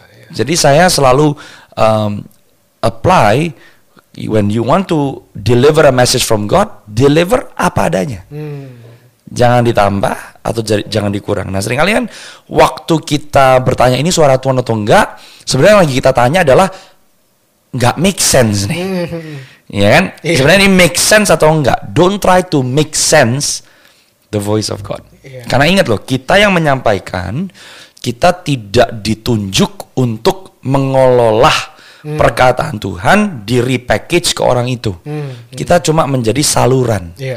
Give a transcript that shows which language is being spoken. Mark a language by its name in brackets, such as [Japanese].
[Indonesian] Jadi saya selalu [English] apply when you want to deliver a message from God, deliver [Indonesian] apa adanya. Jangan ditambah atau jangan dikurang. Nah, seringkali kan waktu kita bertanya ini suara Tuhan atau enggak, sebenarnya lagi kita tanya adalah enggak make sense nih. Ya kan? Sebenarnya ini make sense atau enggak? [English] Don't try to make sense the voice of God. [Indonesian] Karena ingat loh, kita yang menyampaikan, kita tidak ditunjuk untuk mengololah perkataan Tuhan di repackage ke orang itu. Kita cuma menjadi saluran.